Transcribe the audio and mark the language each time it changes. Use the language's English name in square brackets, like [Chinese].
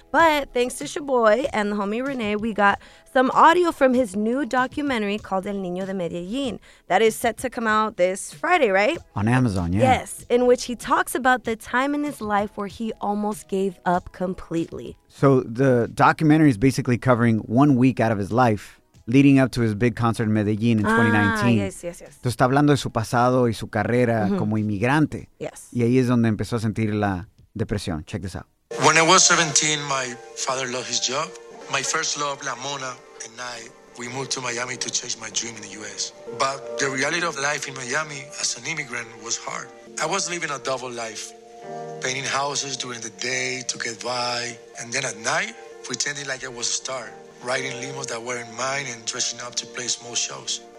[English] But thanks to Shaboy and the homie Renee, we got some audio from his new documentary called El Niño de Medellin that is set to come out this Friday, right? On Amazon, yeah. Yes, in which he talks about the time in his life where he almost gave up completely. So the documentary is basically covering 1 week out of his life leading up to his big concert in Medellin in 2019. Yes, yes, yes. [Spanish] Entonces está hablando de su pasado y su carrera como inmigrante. [English] Yes. [Spanish] Y ahí es donde empezó a sentir la depresión. [English] Check this out. When I was 17, my father loved his job. My first love, La Mona, and I, we moved to Miami to chase my dream in the U.S. But the reality of life in Miami as an immigrant was hard. I was living a double life, painting houses during the day to get by, and then at night, pretending like I was a star, riding limos that weren't mine and dressing up to play small shows.